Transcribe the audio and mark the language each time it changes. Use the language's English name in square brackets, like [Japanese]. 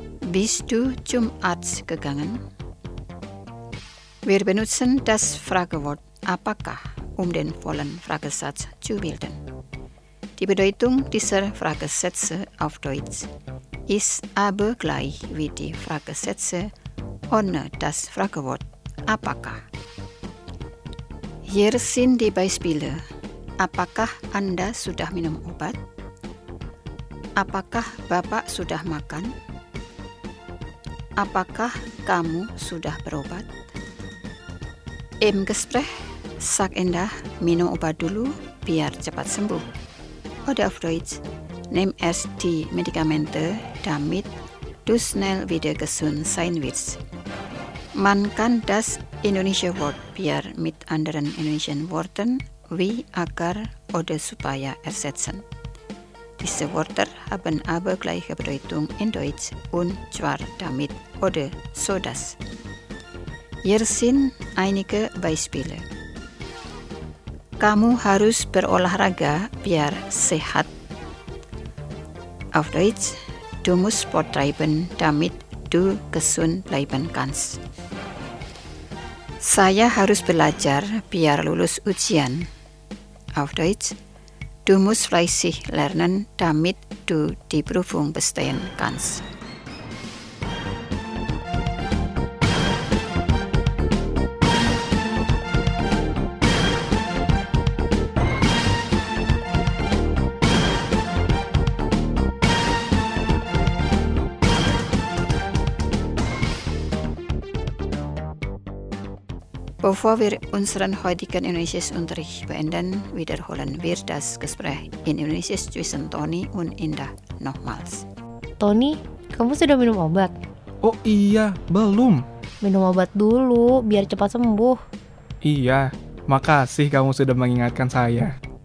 [German] Bist du zum Arzt gegangen? Wir benutzen das Fragewort apakah, um den vollen Fragesatz zu bilden. Die Bedeutung dieser Fragesätze auf Deutsch ist aber gleich wie die Fragesätze ohne das Fragewort apakah. Hier sind die Beispiele. [Indonesian] Apakah Anda sudah minum obat? Apakah Bapak sudah makan? Apakah kamu sudah berobat? [German] Im Gespräch sag [Indonesian] Endah, minum obat dulu biar cepat sembuh. [German] Oder auf Deutsch, nimm erst die Medikamente, damit du schnell wieder gesund sein wirst. Man kann das Indonesische Wort biar mit anderen Indonesian Worten wie agar oder supaya ersetzen. Diese Wörter haben aber gleiche Bedeutung in Deutsch und zwar damit oder so das. Hier sind einige Beispiele. [Indonesian] Kamu harus berolahraga biar sehat. [German] Auf Deutsch, du musst Sport treiben, damit du gesund bleiben kannst. [Indonesian] Saya harus belajar biar lulus ujian. [German] Auf Deutsch, du musst fleißig lernen, damit du die Prüfung bestehen kannst. Bevor wir unseren heutigen Indonesisch-Unterricht beenden, wiederholen wir das Gespräch in Indonesisch zwischen Toni und Indah nochmals. [Indonesian] Toni, kamu sudah minum obat? Oh iya, belum. Minum obat dulu, biar cepat sembuh. Iya, makasih kamu sudah mengingatkan saya.